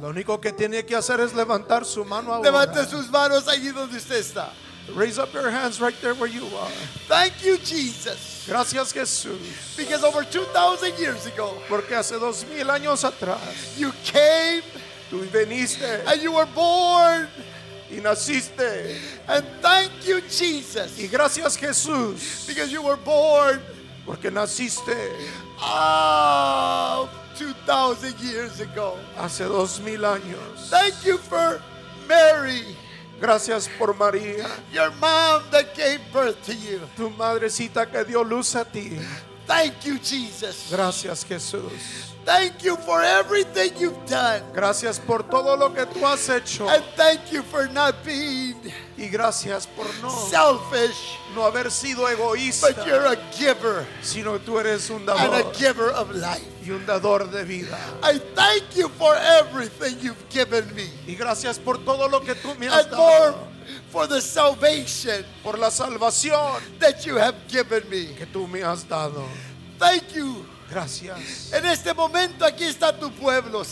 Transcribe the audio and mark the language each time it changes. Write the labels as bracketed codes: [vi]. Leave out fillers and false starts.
[es] Lo único que tiene que hacer es levantar su mano ahora. Levante sus manos allí donde usted está. [en] Raise up your hands right there where you are. Thank you, Jesus. [es] Gracias, Jesús. [en] Because over 2,000 years ago. [es] Porque hace 2,000 años atrás. [en] You came. [es] Tú viniste. [en] And you were born. [es] Y naciste. [en] And thank you, Jesus. [es] Y gracias, Jesús. [en] Because you were born. [es] Porque naciste. [en] Oh, 2,000 years ago. [es] Hace 2,000 años. [en] Thank you for Mary. [es] Gracias por María. [en] Your mom that gave birth to you. [es] Tu madrecita que dio luz a ti. [en] Thank you, Jesus. [es] Gracias, Jesús. [en] Thank you for everything you've done. [es] Gracias por todo lo que tú has hecho. [en] And thank you for not being. [es] Y gracias por no. [en] Selfish. [es] No haber sido egoísta. [en] But you're a giver. [es] Sino tú eres un dador. [en] And a giver of life. [es] Y un dador de vida. [en] I thank you for everything you've given me. [es] Y gracias por todo lo que tú me has [en] dado. And more for the salvation. [es] Por la salvación. [en] That you have given me. [es] Que tú me has dado. [en] Thank you. [es] Gracias. En este momento aquí está tu pueblo, Señor.